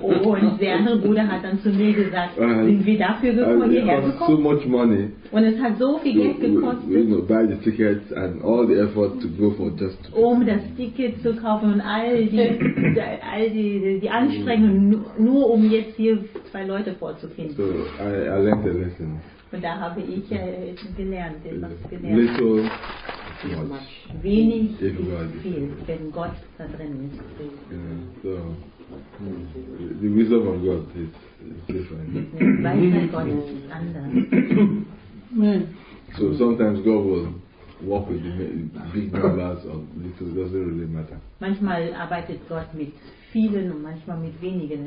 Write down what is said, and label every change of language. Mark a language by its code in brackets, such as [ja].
[de] Oh, und der andere Bruder hat dann zu mir gesagt, sind wir dafür gekommen, hierher gekommen? [en] So much money. [de] Und es hat so viel Geld gekostet. [en] You know, buy the tickets and all the effort to go for just. [de] Um das Ticket zu kaufen und all die Anstrengungen nur um jetzt hier zwei Leute vorzufinden. [en] So I learned a lesson. [de] Und da habe ich gelernt, etwas gelernt. Wenig ist viel, wenn Gott da drin ist. [en] Yeah. So, the wisdom of God is different. [de] Weisheit Gottes ist anders. [en] So sometimes God will work with the big numbers or little, it doesn't really matter. [de] Manchmal arbeitet Gott mit vielen und manchmal mit wenigen.